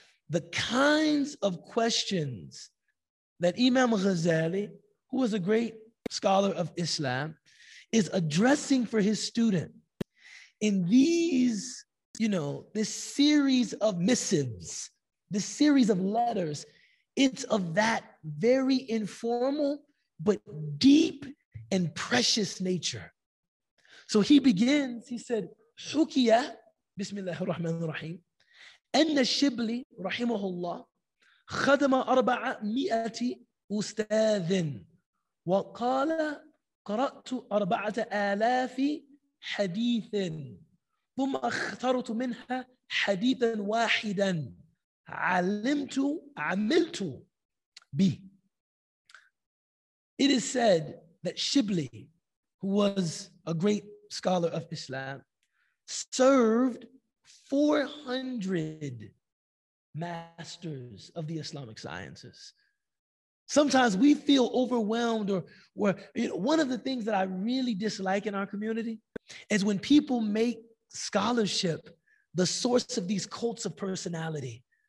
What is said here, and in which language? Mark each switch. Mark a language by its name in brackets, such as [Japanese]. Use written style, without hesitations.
[English] The kinds of questions that Imam Ghazali, who was a great scholar of Islam, is addressing for his student in these, you know, this series of missives, this series of letters, it's of that very informal but deep and precious nature. So he begins, he said, [Arabic] Hukiya, Bismillah ar-Rahman ar-Rahim, أن الشبلي رحمه الله خدم 400 أستاذ وقال قرأت 4000 حديث ثم اخترت منها حديثا واحدا عملت به. [English] It is said that Shibli, who was a great scholar of Islam, served 400 masters of the Islamic sciences. Sometimes we feel overwhelmed or you know, one of the things that I really dislike in our community is when people make scholarship the source of these cults of personality.